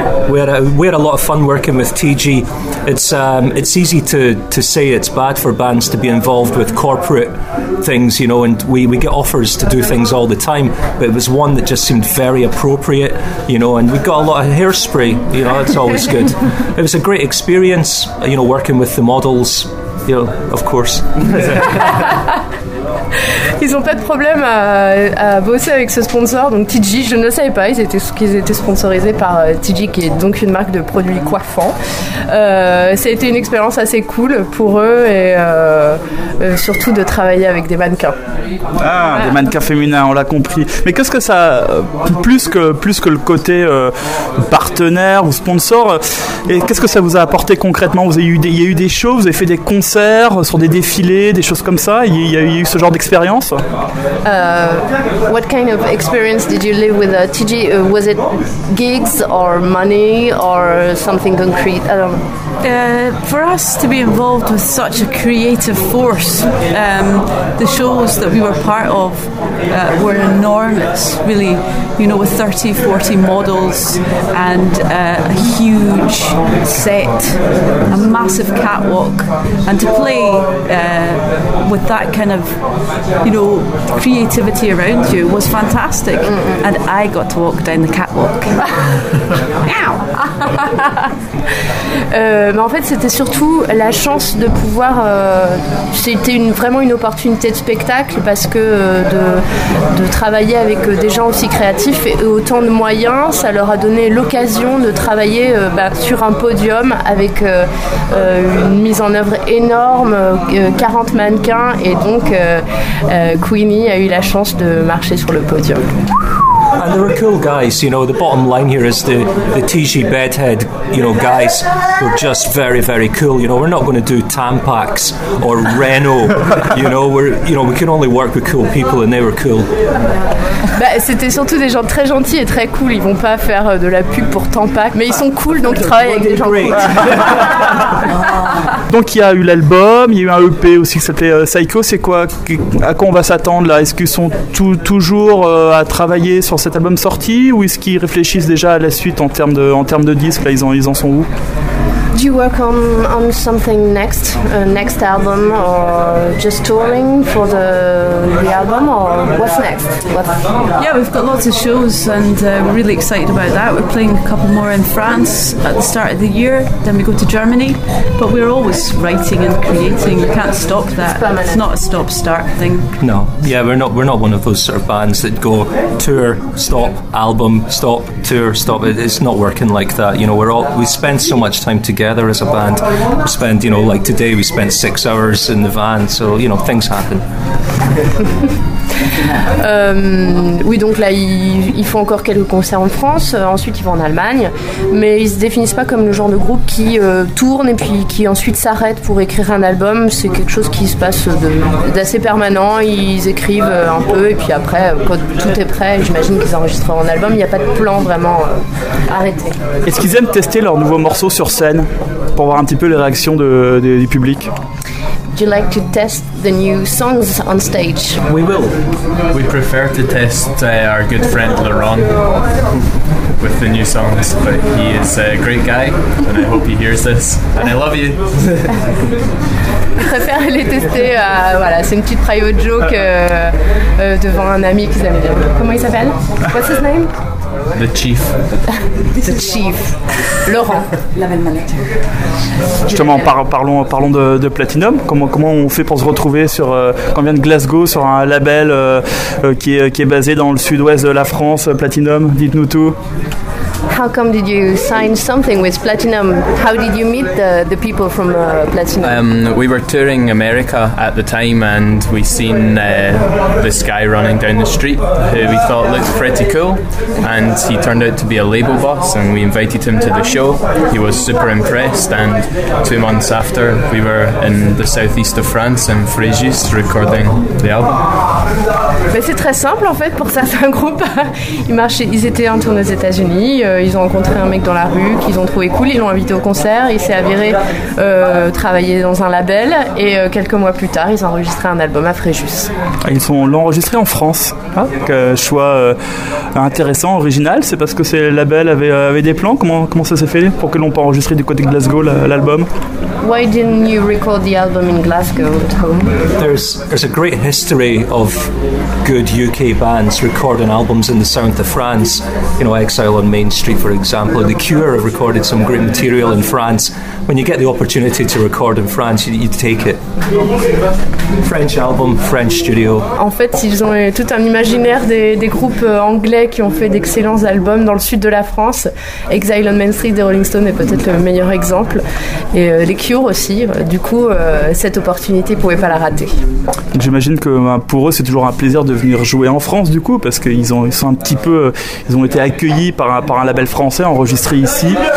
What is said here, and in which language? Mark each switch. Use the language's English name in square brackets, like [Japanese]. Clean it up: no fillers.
[English] We had a lot of fun working with TG. It's easy to say it's bad for bands to be involved with corporate things, you know, and we get offers to do things all the time, but it was one that just seemed very appropriate, you know, and we got a lot of hairspray, you know, that's always good. It was a great experience, you know, working with the models, you know, of course. [French] Ils n'ont pas de problème à bosser avec ce sponsor, donc TG, je ne savais pas, qu'ils étaient sponsorisés par TG, qui est donc une marque de produits coiffants. Ça a été une expérience assez cool pour eux, et surtout de travailler avec des mannequins. Ah, voilà. Des mannequins féminins, on l'a compris. Mais qu'est-ce que ça, plus que le côté partenaire ou sponsor, et qu'est-ce que ça vous a apporté concrètement? Il y a eu des shows, vous avez fait des concerts sur des défilés, des choses comme ça, il y a eu ce genre d'expérience? expérience. [English] What kind of experience did you live with TG? Was it gigs or money or something concrete? I don't know. For us to be involved with such a creative force, the shows that we were part of were enormous, really, you know, with 30, 40 models and a huge set, a massive catwalk, and to play with that kind of, you know, creativity around you was fantastic. Mm-hmm. And I got to walk down the catwalk. Ow! [French] Mais en fait, c'était surtout la chance de pouvoir. C'était vraiment une opportunité de spectacle parce que de travailler avec des gens aussi créatifs et autant de moyens, ça leur a donné l'occasion de travailler sur un podium avec une mise en œuvre énorme, 40 mannequins, et donc Queenie a eu la chance de marcher sur le podium. [English] And there are cool guys, you know, the bottom line here is the TG Bedhead, you know, guys who are just very, very cool. You know, we're not going to do Tampax or Renault, you know, we can only work with cool people, and they were cool. [French] Bah, c'était surtout des gens très gentils et très cool. Ils vont pas faire de la pub pour Tampax, mais ils sont cool, donc ils travaillent avec des gens cool. Donc il y a eu l'album, il y a eu un EP aussi qui s'appelait Psycho. C'est quoi, à quoi on va s'attendre là? Est-ce qu'ils sont toujours à travailler sur cet album sorti, ou est-ce qu'ils réfléchissent déjà à la suite en termes de disques? Là, ils en sont où? [English] Do you work on something next, next album, or just touring for the album, or what's next? Yeah, we've got lots of shows, and we're really excited about that. We're playing a couple more in France at the start of the year, then we go to Germany. But we're always writing and creating. We can't stop that. It's not a stop-start thing. No. Yeah, we're not one of those sort of bands that go tour, stop, album, stop, tour, stop. It's not working like that. You know, we spend so much time together as a band. We spend, you know, like today we spent 6 hours in the van, so you know, things happen. [French] Oui, donc là ils font encore quelques concerts en France, ensuite ils vont en Allemagne, mais ils se définissent pas comme le genre de groupe qui tourne et puis qui ensuite s'arrête pour écrire un album. C'est quelque chose qui se passe d'assez permanent. Ils écrivent un peu et puis après, quand tout est prêt, j'imagine qu'ils enregistrent en album. Il n'y a pas de plan vraiment arrêté. Est-ce qu'ils aiment tester leurs nouveaux morceaux sur scène pour voir un petit peu les réactions du public? [English] Do you like to test the new songs on stage? We will. We prefer to test our good friend Laurent with the new songs, but he is a great guy, and I hope he hears this. And I love you. [French] Je préfère les tester. Voilà, c'est une petite private joke devant un ami qu'ils aiment bien. Comment il s'appelle? [English] What's his name? The Chief. The Chief. Laurent. Level manager. [French] Justement, parlons de Platinum. Comment on fait pour se retrouver sur, quand on vient de Glasgow, sur un label qui est basé dans le sud-ouest de la France, Platinum? Dites-nous tout. [English] How come did you sign something with Platinum? How did you meet the people from Platinum? We were touring America at the time, and we seen this guy running down the street who we thought looked pretty cool, and he turned out to be a label boss, and we invited him to the show. He was super impressed, and 2 months after, we were in the southeast of France in Fréjus recording the album. [French] Mais c'est très simple en fait pour certains groupes. Ils étaient en tournée aux États-Unis. Ils ont rencontré un mec dans la rue qu'ils ont trouvé cool, ils l'ont invité au concert, il s'est avéré travailler dans un label, et quelques mois plus tard ils ont enregistré un album à Fréjus. Ils l'ont enregistré en France. Choix intéressant, original. C'est parce que ce label avait des plans? Comment ça s'est fait pour que l'on peut enregistrer du côté de Glasgow l'album? [English] Why didn't you record the album in Glasgow at home? There's a great history of good UK bands recording albums in the south of France. You know, Exile on Main Street, for example. The Cure have recorded some great material in France. When you get the opportunity to record in France, you take it. French album, French studio. [French] En fait, ils ont tout un imaginaire des groupes anglais qui ont fait d'excellents albums dans le sud de la France. Exile on Main Street des Rolling Stones est peut-être le meilleur exemple. Et les Cure aussi. Du coup, cette opportunité, ils ne pouvaient pas la rater. J'imagine que pour eux, c'est toujours un plaisir de venir jouer en France du coup, parce qu'ils ont, ils sont un petit peu, ils ont été accueillis par un label français enregistré ici.